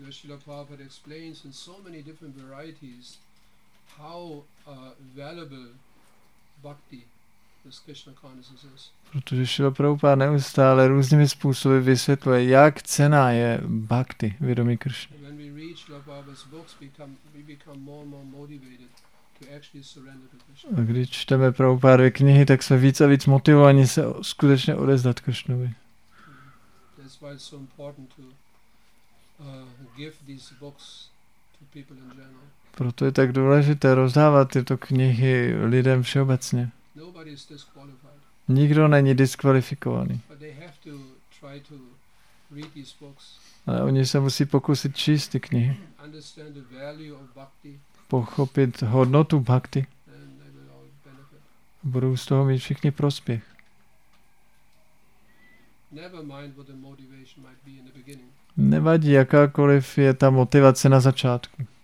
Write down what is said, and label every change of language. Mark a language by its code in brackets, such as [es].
[en] Srila Prabhupada explains in so many different varieties how valuable bhakti this Krishna consciousness is. [cs] Protože Srila Prabhupada neustále různými způsoby vysvětluje, jak cenná je bhakti, vědomí Krishna. [en] When we read Srila Prabhupada's books, we become more and more motivated to actually surrender to Krishna. [cs] A když čteme Prabhupádovy knihy, tak jsme víc a víc motivovaní se skutečně odezdat Krishnovi. [en] Why it's so important to give these books to people in general. [cs] Proto je tak důležité rozdávat tyto knihy lidem všeobecně. [en] Nobody is disqualified. [cs] Nikdo není diskvalifikovaný. [en] But they have to try to read these books. [cs] Ale oni se musí pokusit číst ty knihy. [en] Understand the value of bhakti. [cs] Pochopit hodnotu bhakti. [en] And they will all benefit. [cs] Budou z toho mít všichni prospěch. [en] Never mind what the motivation might be in the beginning. [cs] Nevadí, jakákoliv je ta motivace na začátku.